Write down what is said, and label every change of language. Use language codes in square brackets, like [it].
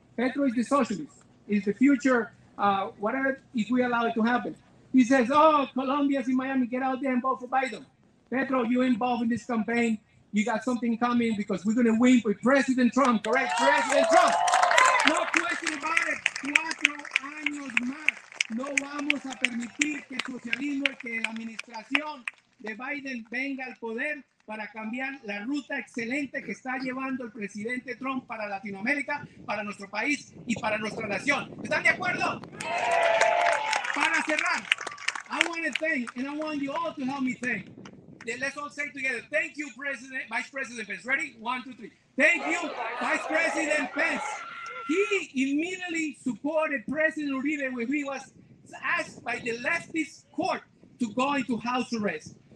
[en] Petro is the socialist, is the future. Whatever, if we allow it to happen. He says, oh, Colombians in Miami, get out there and vote for Biden. Petro, you're involved in this campaign. You got something coming because we're going to win with President Trump, correct? President Trump. No question about it. [es] 4 años más. No vamos a permitir que el socialismo, que la administración de Biden venga al poder para cambiar la ruta excelente que está llevando el presidente Trump para Latinoamérica, para nuestro país y para nuestra nación. ¿Están de acuerdo? Para cerrar, [en] I want to thank, and I want you all to help me thank. Let's all say together, thank you, President, Vice President Pence. Ready? 1, 2, 3. Thank you, Vice President Pence. He immediately supported President Uribe when he was asked by the leftist court to go into house arrest.